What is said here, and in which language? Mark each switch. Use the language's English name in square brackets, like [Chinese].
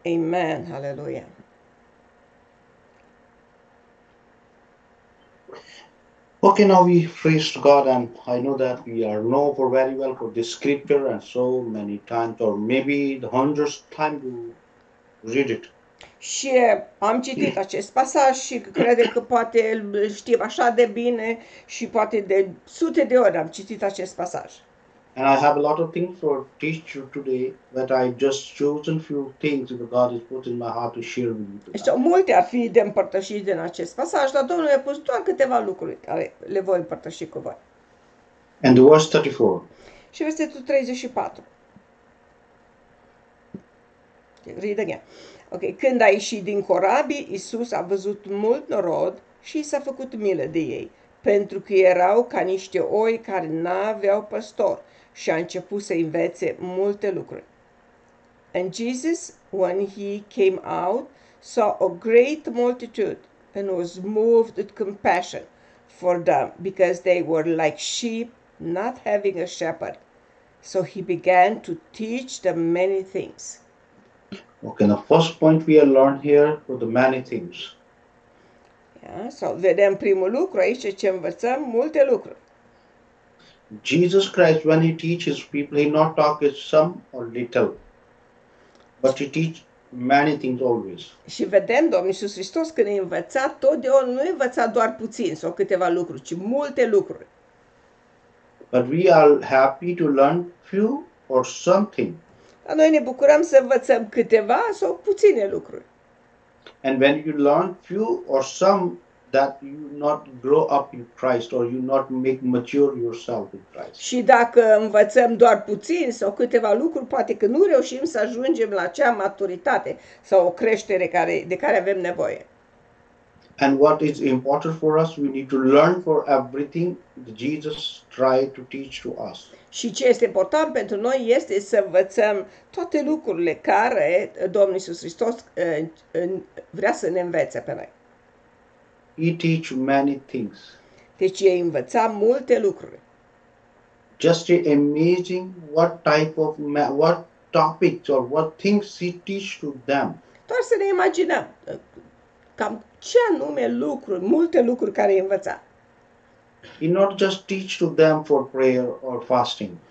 [English] Amen. Hallelujah. Okay, now we praise God, and I know that we are know for very well for this scripture, and so many times, or maybe the hundreds of times you read it. [Romanian] Și am citit acest pasaj și crede că poate îl știm așa de bine și poate de sute de ori am citit acest pasaj. [English] And I have a lot of things to teach you today, but I just chosen few things that God has put in my heart to share with you today. [Romanian] Sunt multe a fi de împărtășit din acest pasaj, dar Domnul mi-a pus doar câteva lucruri care le voi împărtăși cu voi. [English] And the verse 34. [Romanian] Și versetul 34. [English] Read again. [Romanian] Ok, când a ieșit din corabii, Iisus a văzut mult norod și s-a făcut milă de ei, pentru că erau ca niște oi care n-aveau păstor și a început să învețe multe lucruri. [English] And Jesus, when he came out, saw a great multitude and was moved with compassion for them, because they were like sheep not having a shepherd. So he began to teach them many things. Okay, the first point we have learned here were the many things. [Romanian] Yeah, so vedem primul lucru aici, ce învățăm, multe lucruri. [English] Jesus Christ, when he teaches people, he not talk with some or little, but he teach many things always. [Romanian] Și vedem Domnul Iisus Hristos când a învățat totdeauna, nu a învățat doar puțin sau câteva lucruri, ci multe lucruri. [English] But we are happy to learn few or something. [Romanian] Dar noi ne bucurăm să învățăm câteva sau puține lucruri. [English] And when you learn few or some, that you not grow up in Christ or you not make mature yourself in Christ. [Romanian] Și dacă învățăm doar puțin sau câteva lucruri, poate că nu reușim să ajungem la acea maturitate sau o creștere care, de care avem nevoie. [English] And what is important for us, we need to learn for everything that Jesus tried to teach to us. [Romanian] Și ce este important pentru noi este să învățăm toate lucrurile care Domnul Iisus Hristos vrea să ne învețe pe noi. [English] He teach many things. [Romanian] Deci ei învăța multe lucruri. [English] Just amazing what type of, what topics or what things he teach to them. [Romanian] Doar să ne imaginăm cam ce anume lucruri, multe lucruri care îi învăța. [English] He not just teach to them for prayer or fasting.